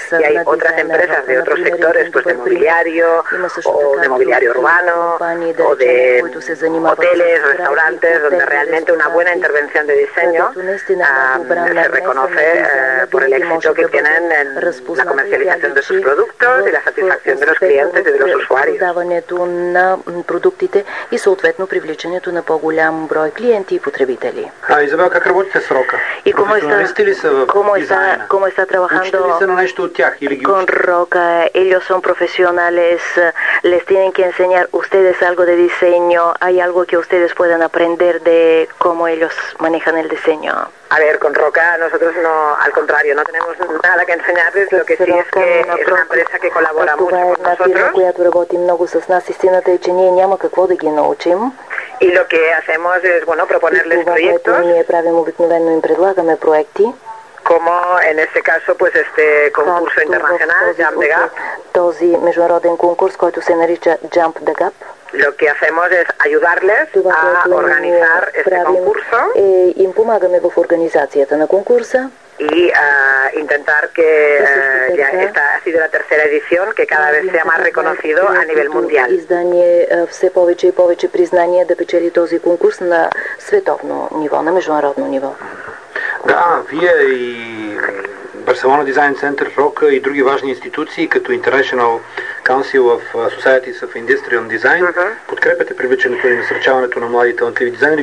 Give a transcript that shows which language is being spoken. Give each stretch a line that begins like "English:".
Spanish: Y hay otras empresas de otros sectores, pues de mobiliario, o de mobiliario urbano, o de hoteles, restaurantes, donde realmente una buena intervención de diseño se reconoce por el éxito que tienen en la comercialización de sus productos y la satisfacción de los clientes y de los usuarios.
Bulgarian: Даването на продуктите и съответно привличането на по-голям брой клиенти и потребители. А, Изабел, как работите с Рока? И кому
Spanish: está trabajando? Con Roca, ellos son profesionales, les tienen que enseñar ustedes algo de diseño, hay algo que ustedes puedan aprender de cómo ellos manejan el diseño. A ver, con Roca nosotros no, al contrario, no tenemos nada que enseñarles, lo que sí es que es una empresa que colabora mucho con nosotros. Y lo que hacemos es, bueno, proponerles proyectos. Como en este caso, pues este concurso internacional, Jump the Gap.
Bulgarian: Този международен конкурс, който се нарича Jump the Gap.
Spanish: Lo que hacemos es ayudarles a organizar este concurso.
Bulgarian: И им помагаме в организацията на конкурса.
Spanish: Y intentar que ya esta ha sido la tercera edición, que cada vez sea más reconocido a nivel mundial.
Bulgarian: Издание все повече и повече признания да печели този конкурс на световно ниво, на международно ниво. Да, вие и Барселона Дизайн Център, Рока и други важни институции, като International Council of Societies of Industrial Design, подкрепяте привличането и насърчаването на млади талантливи дизайнери.